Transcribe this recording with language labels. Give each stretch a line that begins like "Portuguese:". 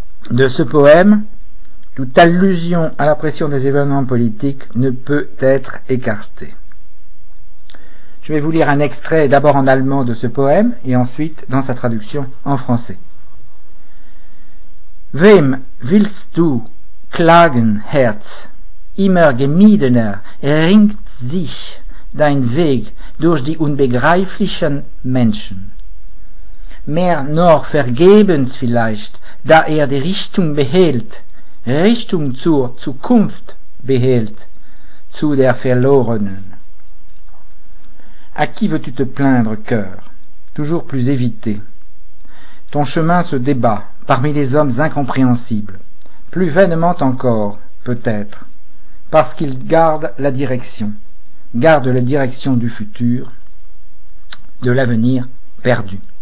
French: De ce poème, toute allusion à la pression des événements politiques ne peut être écartée. Je vais vous lire un extrait d'abord en allemand de ce poème et ensuite dans sa traduction en français.
German: « Wem willst du klagen, Herz ? Immer gemiedener ringt sich dein Weg durch die unbegreiflichen Menschen. Mehr noch vergebens vielleicht, da die Richtung behält, Richtung zur Zukunft behält, zu der Verlorenen.
French: À qui veux-tu te plaindre, cœur, toujours plus évité ? Ton chemin se débat parmi les hommes incompréhensibles, plus vainement encore, peut-être, parce qu'ils gardent la direction du futur, de l'avenir perdu.